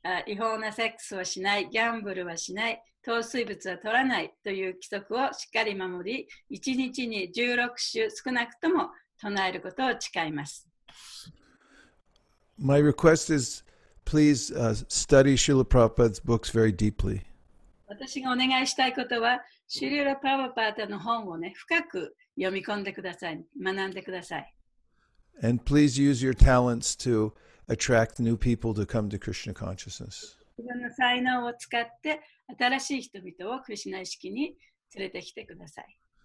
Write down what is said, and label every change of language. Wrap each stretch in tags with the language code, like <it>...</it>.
<ja>違法なセックスはしない、ギャンブルはしない、糖水物は取らないという規則をしっかり守り、1日に16週少なくとも唱えることを誓います。</ja> <en>My request is, please study Srila Prabhupada's books very deeply.</en> <ja>私がお願いしたいことは、シリラ・プラヴァパーダの本をね、深く読み込んでください、学んでください。</ja> <en>And please use your talents toAttract new people to come to Krishna consciousness.</en> <ja>自分の才能を使って新しい人々をクリシナ意識に連れてきてください。</ja>